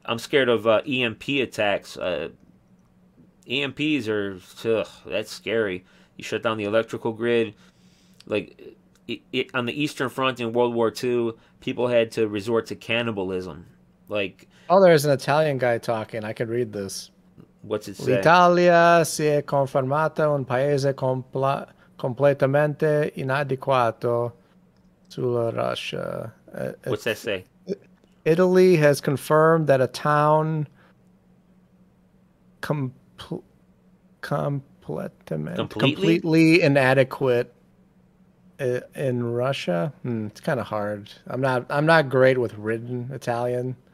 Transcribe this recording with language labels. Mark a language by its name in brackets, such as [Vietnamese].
[English] I'm scared of EMP attacks. EMPs are, that's scary. You shut down the electrical grid. Like, on the Eastern Front in World War II, people had to resort to cannibalism. Like, there's an Italian guy talking. I could read this. What's it say? [Italian] L'Italia si è confermata un paese completamente inadeguato sulla Russia. [English] What's that say? Italy has confirmed that a town completely inadequate in Russia. It's kind of hard. I'm not great with written Italian.